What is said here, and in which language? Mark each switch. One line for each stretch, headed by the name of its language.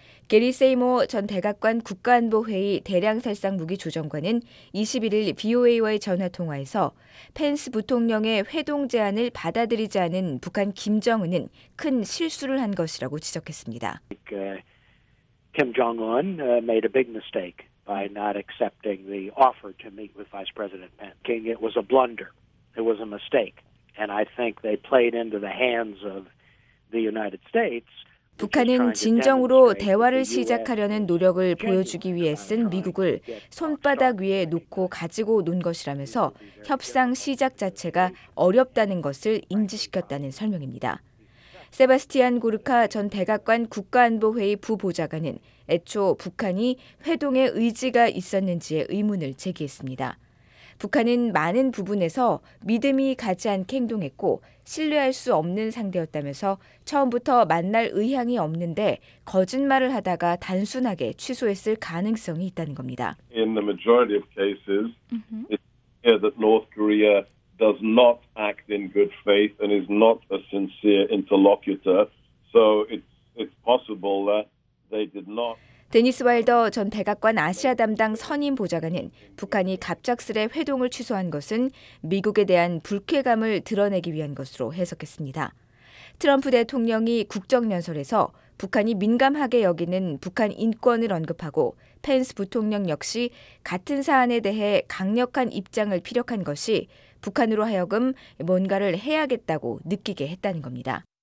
Korean: 게리 세이모 전 백악관 국가안보회의 대량살상무기조정관은 21일 VOA와의 전화통화에서 펜스 부통령의 회동 제안을 받아들이지 않은 북한 김정은은 큰 실수를 한 것이라고 지적했습니다.
English: Kim Jong-un made a big mistake. By not accepting the offer to meet with Vice President Pence, it was a blunder. It was a mistake, and I think they played into the hands of the United States.
Korean: 북한은 진정으로 대화를 시작하려는 노력을 보여주기 위해 쓴 미국을 손바닥 위에 놓고 가지고 논 것이라면서 협상 시작 자체가 어렵다는 것을 인지시켰다는 설명입니다. 세바스티안 고르카 전 백악관 국가안보회의 부보좌관은 애초 북한이 회동의 의지가 있었는지에 의문을 제기했습니다. 북한은 많은 부분에서 믿음이 가지 않게 행동했고 신뢰할 수 없는 상대였다면서 처음부터 만날 의향이 없는데 거짓말을 하다가 단순하게 취소했을 가능성이 있다는 겁니다.
English: In the majority of cases, it's clear that North Korea does not act in good faith and is not a sincere interlocutor. So it's possible that
Korean: 데니스 와일더 전 백악관 아시아 담당 선임 보좌관은 북한이 갑작스레 회동을 취소한 것은 미국에 대한 불쾌감을 드러내기 위한 것으로 해석했습니다. 트럼프 대통령이 국정연설에서 북한이 민감하게 여기는 북한 인권을 언급하고 펜스 부통령 역시 같은 사안에 대해 강력한 입장을 피력한 것이 북한으로 하여금 뭔가를 해야겠다고 느끼게 했다는 겁니다.